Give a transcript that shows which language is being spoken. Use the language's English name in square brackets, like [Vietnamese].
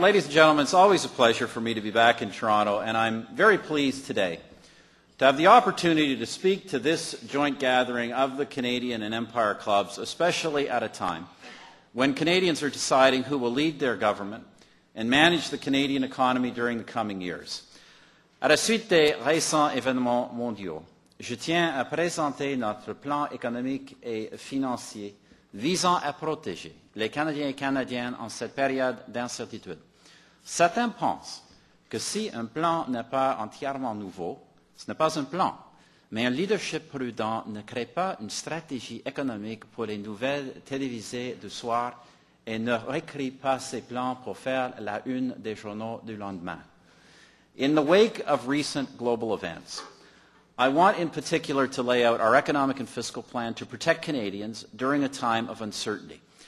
[English] Ladies and gentlemen, it's always a pleasure for me to be back in Toronto, and I'm very pleased today to have the opportunity to speak to this joint gathering of the Canadian and Empire Clubs, especially at a time when Canadians are deciding who will lead their government and manage the Canadian economy during the coming years. [French] À la suite des récents événements mondiaux, je tiens à présenter notre plan économique et financier visant à protéger les Canadiens et Canadiennes en cette période d'incertitude. Certains pensent que si un plan n'est pas entièrement nouveau, ce n'est pas un plan, mais un leadership prudent ne crée pas une stratégie économique pour les nouvelles télévisées du soir et ne réécrit pas ses plans pour faire la une des journaux du lendemain. [English] In the wake of recent global events, I want in particular to lay out our economic and fiscal plan to protect Canadians during a time of uncertainty.